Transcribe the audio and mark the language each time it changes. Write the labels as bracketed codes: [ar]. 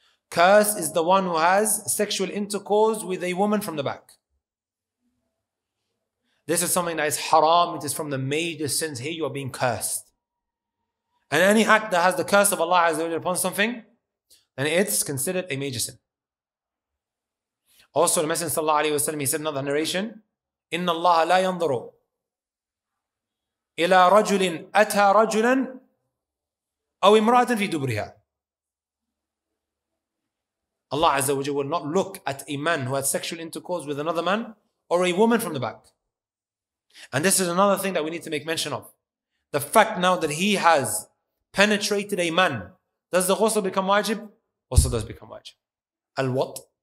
[en] Curse is the one who has sexual intercourse with a woman from the back. This is something that is haram. It is from the major sins. Here you are being cursed. And any act that has the curse of Allah Azza wa Jalla upon something, then it's considered a major sin. Also, the Messenger sallallahu alayhi wa sallam, he said another narration, [ar] إِنَّ اللَّهَ لَا يَنْظُرُ إِلَىٰ رَجُلٍ أَتَىٰ رَجُلًا أَوْ إِمْرَأَةً فِي دُبْرِهَا. [en] Allah Azza wa Jalla will not look at a man who had sexual intercourse with another man or a woman from the back. And this is another thing that we need to make mention of. The fact now that he has penetrated a man, does the ghusl become wajib? Ghusl does become wajib. Al-wat?